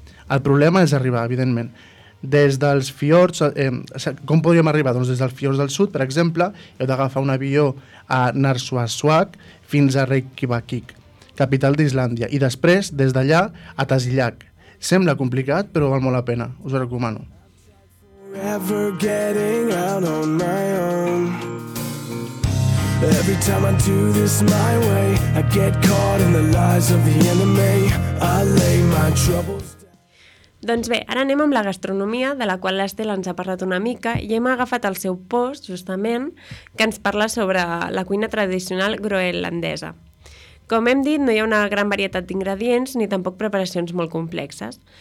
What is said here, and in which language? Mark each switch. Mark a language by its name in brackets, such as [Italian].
[Catalan] El problema és arribar, evidentment. Des dels fiords, com podríem arribar? Doncs des dels fiords del sud, per exemple, heu d'agafar un avió a Narsarsuaq fins a Reykjavík, capital d'Islàndia, i després, des d'allà, a Tasilaq. Sembla complicat, però val molt la pena. Us ho recomano. [English] Forever getting out on my own. Every time I do this my way, I get caught in the lies of the enemy. I lay my troubles. [Catalan] Doncs bé, ara anem amb la gastronomia, de la qual l'Estela ens ha parlat una mica, i hem agafat el seu post, justament, que ens parla sobre la cuina tradicional groenlandesa. Com hem dit, no hi ha una gran varietat d'ingredients ni tampoc preparacions molt complexes.